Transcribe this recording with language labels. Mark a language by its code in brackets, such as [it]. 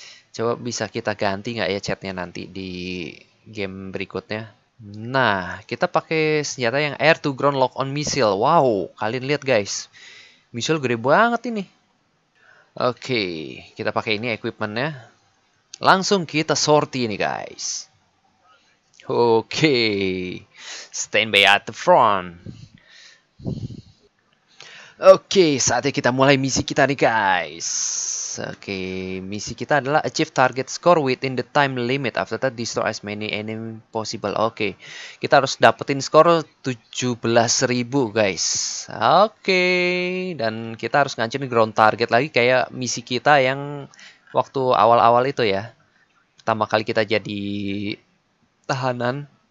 [id] Coba bisa kita ganti nggak ya catnya nanti di game berikutnya. Nah, kita pakai senjata yang [en] air-to-ground lock-on missile. [id] Wow, kalian lihat guys. Missile gede banget ini. Oke, kita pakai ini equipmentnya. Langsung kita sortie nih guys. [en] Oke, stand by at the front. [id] Oke, saatnya kita mulai misi kita nih guys. Oke, misi kita adalah [en] achieve target score within the time limit. After that, destroy as many enemy possible. [id] Oke, kita harus dapetin skor 17.000 guys. Oke, dan kita harus ngancurin [en] ground target [id] lagi kayak misi kita yang waktu awal-awal itu ya. Pertama kali kita jadi tahanan.